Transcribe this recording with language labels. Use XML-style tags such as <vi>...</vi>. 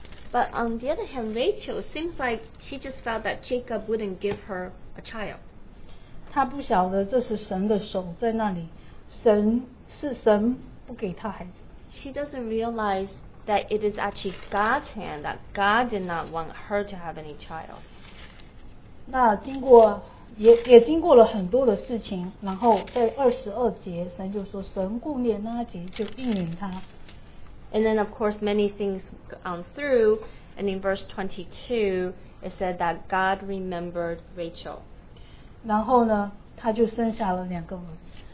<en>But on the other hand, Rachel seems like she just felt that Jacob wouldn't give her a child.</en> <zh>他不晓得这是神的手在那里，神是神不给他孩子。</zh> <en>She doesn't realize that it is actually God's hand that God did not want her to have any child.</en> <zh>那经过也经过了很多的事情，然后在二十二节，神就说神顾念拉结，就应允他。</zh> <en>And then of course many things gone through, and in verse 22 it said that God remembered Rachel.</en> <zh>然后呢，她就生下了两个儿子。</zh>